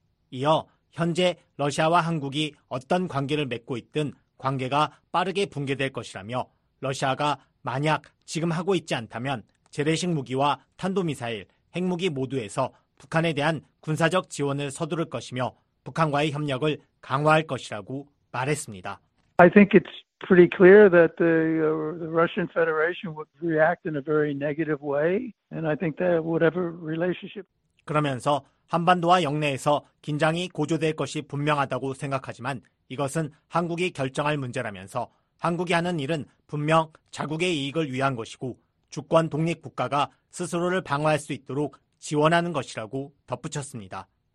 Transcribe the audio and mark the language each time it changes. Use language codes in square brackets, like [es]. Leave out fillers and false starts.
[ko] 이어 현재 러시아와 한국이 어떤 관계를 맺고 있든 관계가 빠르게 붕괴될 것이라며 러시아가 만약 지금 하고 있지 않다면 재래식 무기와 탄도미사일, 핵무기 모두에서 북한에 대한 군사적 지원을 서두를 것이며 북한과의 협력을 강화할 것이라고 말했습니다. [en] I think it's pretty clear that the Russian Federation would react in a very negative way and I think that whatever relationship [ko] 그러면서 한반도와 영내에서 긴장이 고조될 것이 분명하다고 생각하지만 이것은 한국이 결정할 문제라면서 한국이 하는 일은 분명 자국의 이익을 위한 것이고 주권 독립 국가가 스스로를 방어할 수 있도록 지원하는 것이라고 덧붙였습니다.